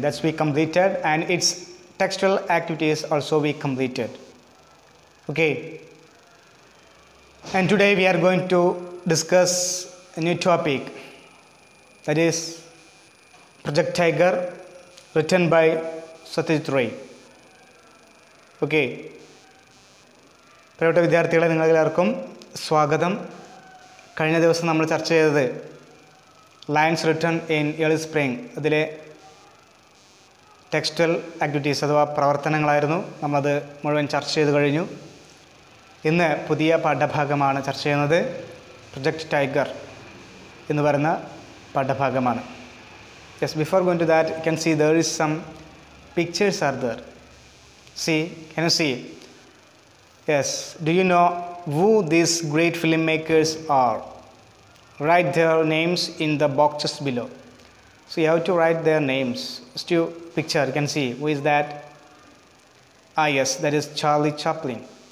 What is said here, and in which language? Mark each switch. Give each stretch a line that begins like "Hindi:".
English: That's we completed, and its textual activities also we completed. Okay. And today we are going to discuss a new topic, that is Project Tiger, written by Satyajit Ray.
Malayalam: Okay പ്രിയപ്പെട്ട വിദ്യാർത്ഥികളെ, നിങ്ങളെല്ലാവർക്കും സ്വാഗതം. കഴിഞ്ഞ ദിവസം നമ്മൾ ചർച്ച ചെയ്തത് lines written in early spring, അതിലെ textual activities അഥവാ പ്രവർത്തനങ്ങളായിരുന്നു. നമ്മളത് മുഴുവൻ ചർച്ച ചെയ്ത് കഴിഞ്ഞു. ഇന്ന് പുതിയ പാഠഭാഗമാണ് ചർച്ച ചെയ്യുന്നത്. പ്രൊജക്റ്റ് ടൈഗർ എന്ന് പറയുന്ന പാഠഭാഗമാണ്.
English: Yes, before going to that can see there is some pictures are there. See, can you see? Yes. Do you know who these great filmmakers are? Write their names in the boxes below. So you have to write their names. Still picture, you can see who is that? Ah, yes, that is Charlie Chaplin.